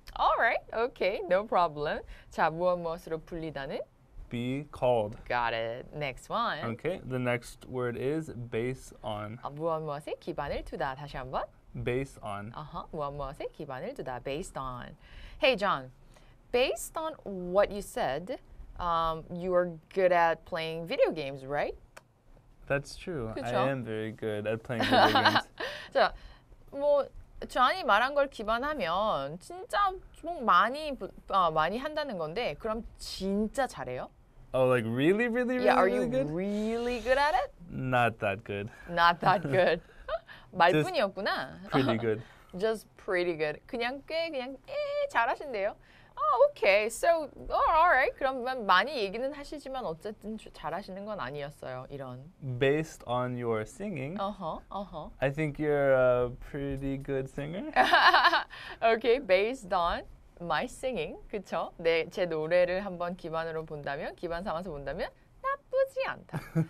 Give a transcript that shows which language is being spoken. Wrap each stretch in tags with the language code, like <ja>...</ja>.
<en>All right. Okay. No problem.</en> <ko>자, 무엇 무엇으로 불리다는?</ko> <en>Be called. Got it. Next one. Okay. The next word is base on.</en> <ko>무엇 무엇에 기반을 두다. 다시 한번.</ko> <en>Base on.</en> <ko>무엇 무엇에 기반을 두다.</ko> <en>Based on. Hey, John. Based on what you said, you are good at playing video games, right? That's true.</en> <ko>그쵸?</ko> <en>I am very good at playing video games.</en> <ko>자, 뭐 존이 말한 걸 기반하면 진짜 좀 많이 한다는 건데 그럼 진짜 잘해요?</ko> <en>Oh, like really, really, really, yeah, are really you good? Really good at it? Not that good. Not that good.</en> <ko>말뿐이었구나.</ko> <en>Pretty good. Just pretty good.</en> <ko>그냥 꽤 그냥 잘하신대요.</ko> <en>Oh, okay. So, all right.</en> <ko>그러면 많이 얘기는 하시지만 어쨌든 잘하시는 건 아니었어요. 이런.</ko> <en>Based on your singing, I think you're a pretty good singer. Okay, based on my singing.</en> <ko>그쵸? 네, 제 노래를 한번 기반으로 본다면, 기반 삼아서 본다면 나쁘지 않다.</ko>